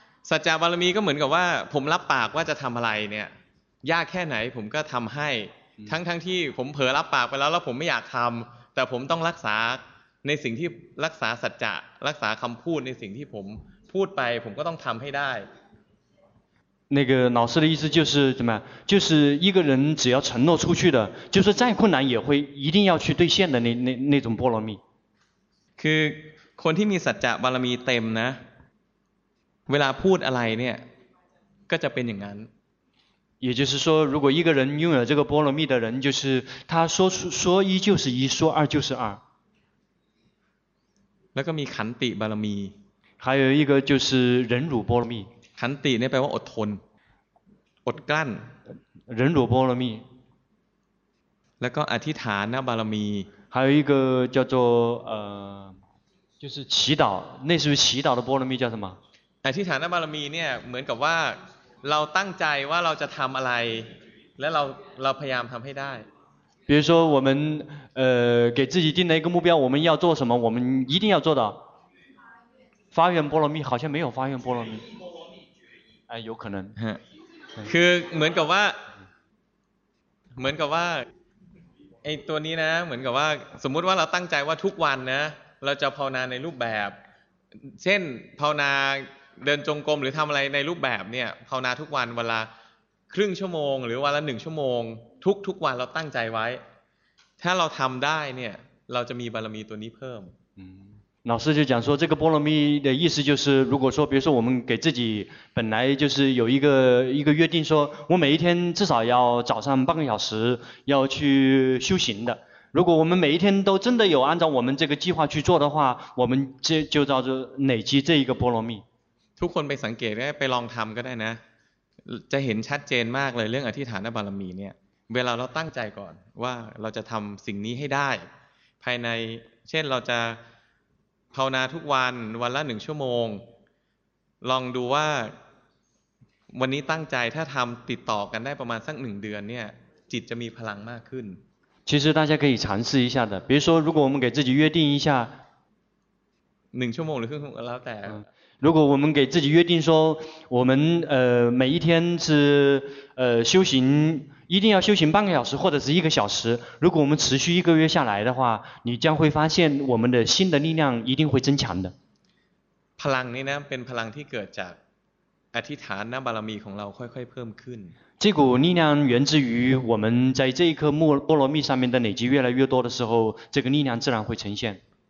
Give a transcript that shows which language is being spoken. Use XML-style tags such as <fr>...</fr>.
<th>สัจจะบารมีก็เหมือนกับว่าผมรับปากว่าจะทำอะไรเนี่ยยากแค่ไหนผมก็ทำให้ทั้งที่ผมเผลอรับปากไปแล้วผมไม่อยากทำแต่ผมต้องรักษาในสิ่งที่รักษาสัจจะรักษาคำพูดในสิ่งที่ผมพูดไปผมก็ต้องทำให้ได้</th> <zh>那个老师的意思就是怎么就是一个人只要承诺出去的就是再困难也会一定要去兑现的那种波罗蜜</zh> <th>คือคนที่มีสัจจะบารมีเต็มนะเวลาพูดอะไรเนี่ยก็จะเป็นอย่างนั้น</th> <zh>也就是说如果一个人拥有这个波罗蜜的人就是他说一就是一说二就是二</zh> <th>แล้วก็มีขันติบารมี</th> <zh>还有一个就是忍辱波罗蜜</zh> <th>ขันติเนี่ยแปลว่าอดทนอดกลั้น</th> <zh>忍辱波罗蜜</zh> <th>แล้วก็อธิษฐานบารมี</th> <zh>还有一个叫做就是祈祷那是不是祈祷的波罗蜜叫什么</zh> <th>อธิษฐานบารมีเนี่ยเหมือนกับว่าเราตั้งใจว่าเราจะทำอะไรและเราพยายามทำให้ได้</th> <zh>比如说我们给自己定了一个目标我们要做什么我们一定要做到发愿波罗蜜好像没有发愿波罗蜜哎有可能</zh> <th>คือเหมือนกับว่าไอตัวนี้นะเหมือนกับว่าสมมติว่าเราตั้งใจว่าทุกวันนะเราจะภาวนาในรูปแบบเช่นภาวนาเดินจงกรมหรือทำอะไรในรูปแบบเนี่ยภาวนาทุกวันเวลาครึ่งชั่วโมงหรือวันละหนึ่งชั่วโมงทุกวันเราตั้งใจไว้ถ้าเราทำได้เนี่ยเราจะมีบารมีตัวนี้เพิ่ม</th> <zh>老师就讲说这个波罗蜜的意思就是如果说比如说我们给自己本来就是有一个约定说我每一天至少要早上半个小时要去修行的如果我们每一天都真的有按照我们这个计划去做的话我们就叫做累积这一个波罗蜜</zh> <th>ทุกคนไปสังเกตได้ไปลองทำก็ได้นะจะเห็นชัดเจนมากเลยเรื่องอธิษฐานบารมีเนี่ยเวลาเราตั้งใจก่อนว่าเราจะทำสิ่งนี้ให้ได้ภายในเช่นเราจะภาวนาทุกวันละหนึ่งชั่วโมงลองดูว่าวันนี้ตั้งใจถ้าทำติดต่อกันได้ประมาณสักหนึ่งเดือนเนี่ยจิตจะมีพลังมากขึ้น</th> <zh>其实大家可以尝试一下的比如说如果我们给自己约定一下</zh> <th>หนึ่งชั่วโมงหรือครึ่งแล้วแต่</th> <zh>如果我们给自己约定说我们每一天是修行一定要修行半个小时或者是一个小时如果我们持续一个月下来的话你将会发现我们的心的力量一定会增强的</zh> <th>พลังนี้นะเป็นพลังที่เกิดจากอธิษฐานบารมีของเราค่อยๆเพิ่มขึ้น</th> <zh>这股力量源自于我们在这一颗波罗蜜上面的累积越来越多的时候这个力量自然会呈现</zh>